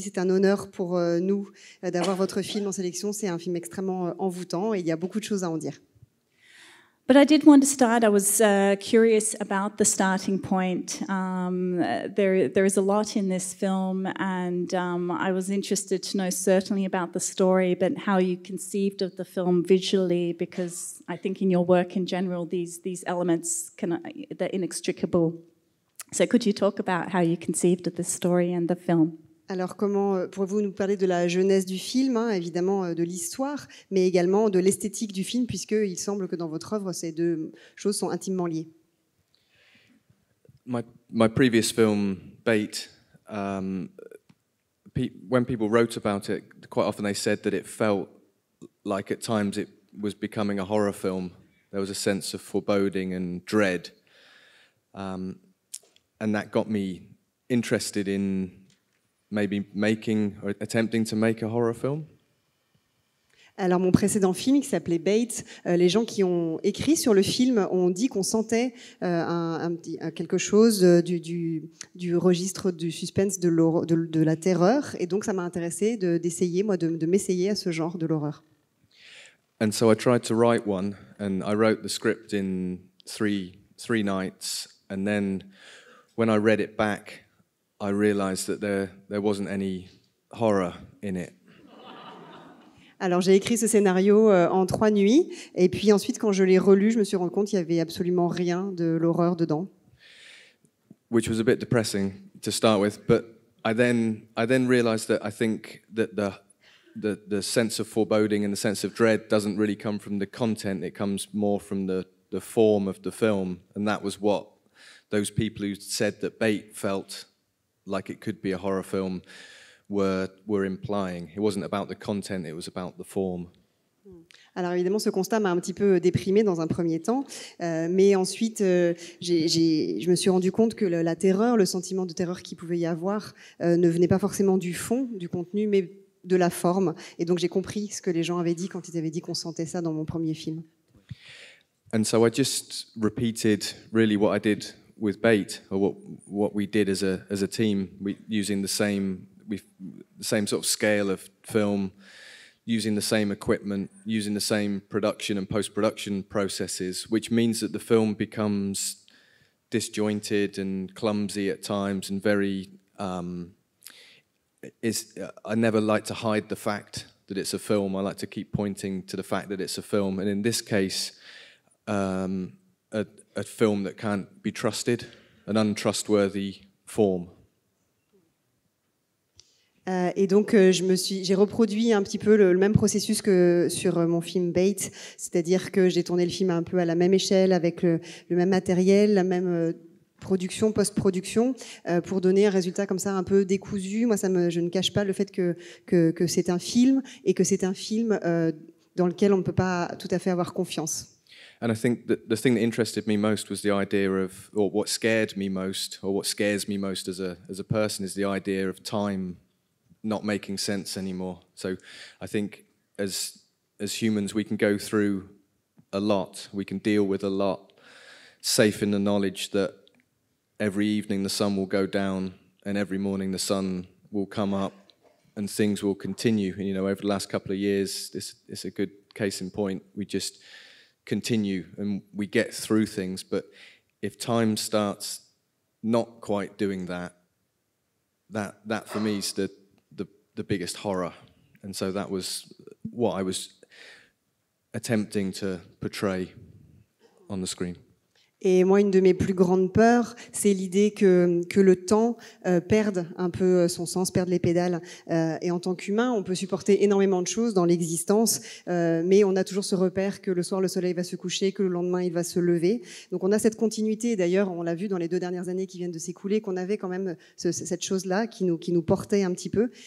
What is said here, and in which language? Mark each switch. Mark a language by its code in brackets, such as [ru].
[fr] C'est un honneur pour nous d'avoir votre film en sélection. C'est un film extrêmement envoûtant et il y a beaucoup de choses à en dire. [en] But I did want to start. I was curious about the starting point. There is a lot in this film, and I was interested to know certainly about the story, but how you conceived of the film visually, because I think in your work in general, these elements they're inextricable. So could you talk about how you conceived of the story and the film? [fr] Alors, comment pourrez-vous nous parler de la jeunesse du film, hein, évidemment de l'histoire, mais également de l'esthétique du film, puisqu'il semble que dans votre œuvre, ces deux choses sont intimement liées. [en] My previous film, Bait, when people wrote about it, quite often they said that it felt like at times it was becoming a horror film. There was a sense of foreboding and dread. And that got me interested in maybe making or attempting to make a horror film. [fr] Alors mon précédent film qui s'appelait Bait, les gens qui ont écrit sur le film ont dit qu'on sentait quelque chose du registre du suspense, de la terreur, et donc ça m'a intéressé d'essayer m'essayer à ce genre de l'horreur. [en] And so I tried to write one, and I wrote the script in three nights, and then when I read it back, I realized that there wasn't any horror in it. [fr] Alors j'ai écrit ce scénario en trois nuits, et puis ensuite quand je l'ai relu, je me suis rendu compte qu'il y avait absolument rien de l'horreur dedans. [en] Which was a bit depressing to start with, but I then realized that I think that the sense of foreboding and the sense of dread doesn't really come from the content, it comes more from the form of the film, and that was what those people who said that Bait felt like it could be a horror film were implying. It wasn't about the content, it was about the form. [fr] Alors évidemment, ce constat m'a un petit peu déprimée dans un premier temps, mais ensuite je me suis rendu compte que la terreur, le sentiment de terreur qu'il pouvait y avoir ne venait pas forcément du fond, du contenu, mais de la forme. Et donc j'ai compris ce que les gens avaient dit quand ils avaient dit qu'on sentait ça dans mon premier film. [en] And so I just repeated really what I did with Bait, or what we did as a team, using the same sort of scale of film, using the same equipment, using the same production and post-production processes, which means that the film becomes disjointed and clumsy at times, and very I never like to hide the fact that it's a film. I like to keep pointing to the fact that it's a film, and in this case a film that can't be trusted, an untrustworthy form. [fr] Et donc j'ai reproduit un petit peu le même processus que sur mon film Bait, c'est-à-dire que j'ai tourné le film un peu à la même échelle, avec le même matériel, la même production, post-production, pour donner un résultat comme ça un peu décousu. Moi, je ne cache pas le fait que c'est un film, et que c'est un film dans lequel on ne peut pas tout à fait avoir confiance. [en] And I think that the thing that interested me most was the idea of, or what scared me most, or what scares me most as a person, is the idea of time not making sense anymore. So I think as humans, we can go through a lot, we can deal with a lot, safe in the knowledge that every evening the sun will go down, and every morning the sun will come up, and things will continue. And, you know, over the last couple of years, this is a good case in point. We just continue and we get through things, but if time starts not quite doing that, that for me is the biggest horror. And so that was what I was attempting to portray on the screen. [fr] Et moi, une de mes plus grandes peurs, c'est l'idée que le temps perde un peu son sens, perde les pédales. Et en tant qu'humain, on peut supporter énormément de choses dans l'existence, mais on a toujours ce repère que le soir, le soleil va se coucher, que le lendemain, il va se lever. Donc on a cette continuité. D'ailleurs, on l'a vu dans les deux dernières années qui viennent de s'écouler, qu'on avait quand même cette chose-là qui nous portait un petit peu.